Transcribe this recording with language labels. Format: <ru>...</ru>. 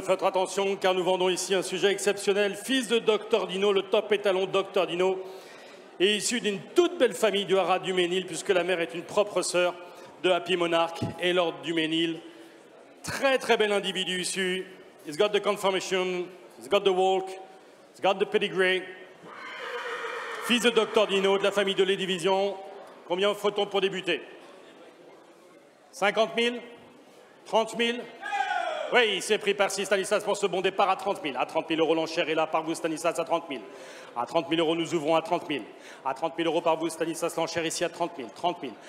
<fr>Faites attention, car nous vendons ici un sujet exceptionnel. Fils de Dr Dino, le top étalon Dr Dino, et issu d'une toute belle famille du Haras Duménil, puisque la mère est une propre sœur de Happy Monarch et Lord Duménil. Très, très bel individu issu.</fr> <en>He's got the confirmation, he's got the walk, he's got the pedigree.</en> <fr>Fils de Dr Dino, de la famille de Lady Vision. Combien offre-t-on pour débuter? 50 000? 30 000? Oui, il s'est pris par Stanislas pour ce bon départ à 30 000. À 30 000 euros, l'enchère est là par vous, Stanislas, à 30 000. À 30 000 euros, nous ouvrons à 30 000. À 30 000 euros par vous, Stanislas, l'enchère ici à 30 000. 30 000.</fr>